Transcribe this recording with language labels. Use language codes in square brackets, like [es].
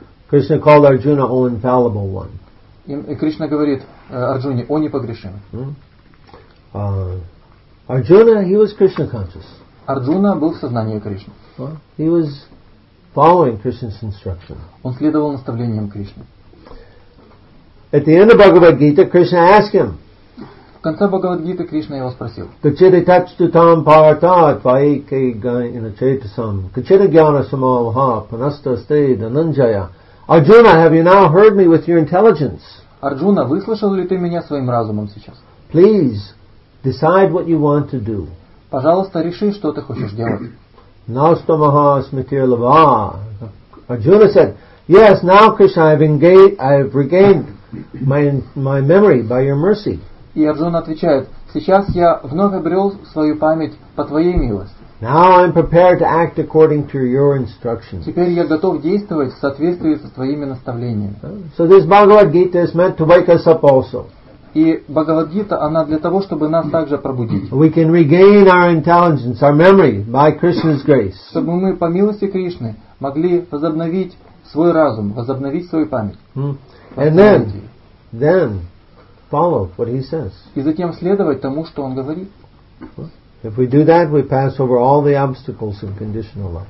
[en] Krishna called Arjuna all infallible one. [ru] И Кришна говорит Арджуне, о непогрешимый. [en] Arjuna, he was Krishna conscious. [ru] Арджуна был в сознании Кришны. [en] He was following Krishna's instruction. [ru] Он следовал наставлениям Кришны. [en] At the end of Bhagavad Gita, Krishna asked him. [ru] В конце Бхагавад Гиты Кришна его спросил. [sa] Кучеритачтутам паратат ваике гайначетасам кучеригьяна самалха панастасте дананджая. [en] Arjuna, have you now heard me with your intelligence? [ru] Арджуна, выслушал ли ты меня своим разумом сейчас? [en] Please decide what you want to do. [ru] Пожалуйста, реши, что ты хочешь делать. [sa] Настамаха смитир лава. [en] Arjuna said, yes, now Krishna, I've regained my memory by your mercy. [ru] И Арджуна отвечает, сейчас я вновь обрел свою память по твоей милости. [en] Now I'm prepared to act according to your instructions. [ru] Теперь я готов действовать в соответствии со твоими наставлениями. [en] So this Bhagavad Gita is meant to wake us up also. [ru] И Бхагавад Гита, она для того, чтобы нас также пробудить. [en] We can regain our intelligence, our memory by Krishna's grace. [ru] Чтобы мы по милости Кришны могли возобновить свой разум, возобновить свою память. [en] And then follow what he says. [ru] И затем следовать тому, что он говорит. [en] If we do that, we pass over all the obstacles in conditional life.